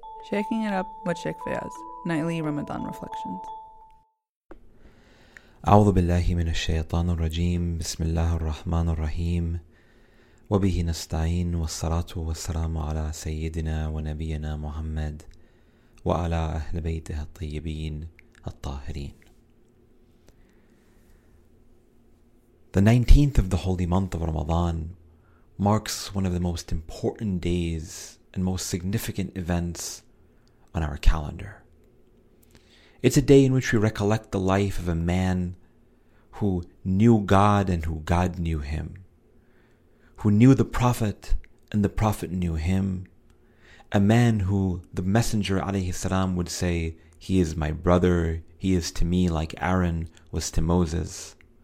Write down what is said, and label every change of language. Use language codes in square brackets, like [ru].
[en] Shaking it up with Sheikh Fayaz, Nightly Ramadan Reflections. [ar] أعوذ بالله من الشيطان الرجيم بسم الله الرحمن الرحيم وبه نستعين والصلاة والسلام على سيدنا ونبينا محمد وعلى أهل بيته الطيبين الطاهرين. [en] The 19th of the holy month of Ramadan marks one of the most important days and most significant events on our calendar. It's a day in which we recollect the life of a man who knew God and who God knew him, who knew the Prophet and the Prophet knew him, a man who the Messenger alayhi salam would say, "He is my brother, he is to me like Aaron was to Moses."